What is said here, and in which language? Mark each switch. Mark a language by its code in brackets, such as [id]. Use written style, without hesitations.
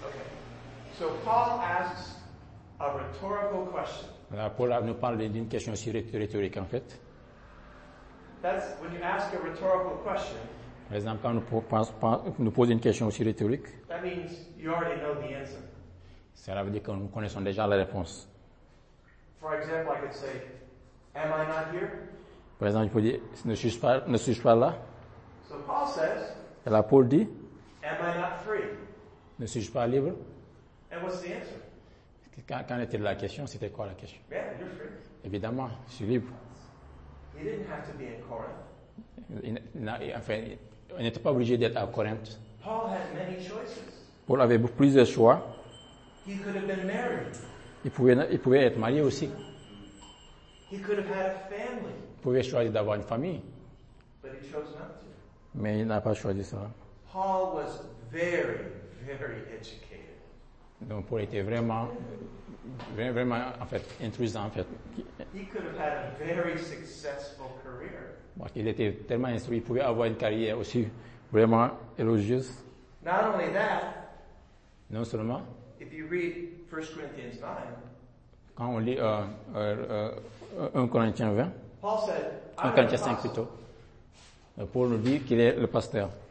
[en] Okay. So Paul asks a rhetorical question. [fr] Là, Paul nous parle d'une question aussi rhétorique en fait. [en] That's when you ask a rhetorical question. [fr] Par exemple, quand nous pose une question aussi rhétorique, [en] that means you already know the answer. [fr] Cela veut dire que nous connaissons déjà la réponse. [en] For example, I could say, am I not here? [fr] Par exemple, je peux dire, ne suis-je pas là? [en] So Paul says, [fr] et là, Paul dit, [en] am I not free? [fr] Ne suis-je pas libre? [en] And what's the answer? [fr] Quand était la question, c'était quoi la question? [en] Yeah, you're free. [fr] Évidemment, je suis libre. [en] He didn't have to be in Corinth. [fr] On n'était pas obligé d'être à Corinth. [en] Paul had many choices. [fr] Paul avait plusieurs choix. [en] He could have been married. [fr] Il pouvait être marié aussi. [en] He could have had a family. [fr] Il pouvait choisir d'avoir une famille. [en] But he chose not to. [fr] Mais il n'a pas choisi cela. [en] Paul was very, very educated. [fr] Donc Paul était vraiment, vraiment en fait, intrusant en fait. [en] He could have had a very successful career. [fr] Il était tellement instruit, il pouvait avoir une carrière aussi vraiment élogieuse. [en] Not only that, [fr] non seulement, [en] if you read 1 Corinthians 9, [fr] quand on lit 1 Corinthiens 20, [en] Paul said, [fr] 1 Corinthiens 5 plutôt, Paul nous dit qu'il est le pasteur.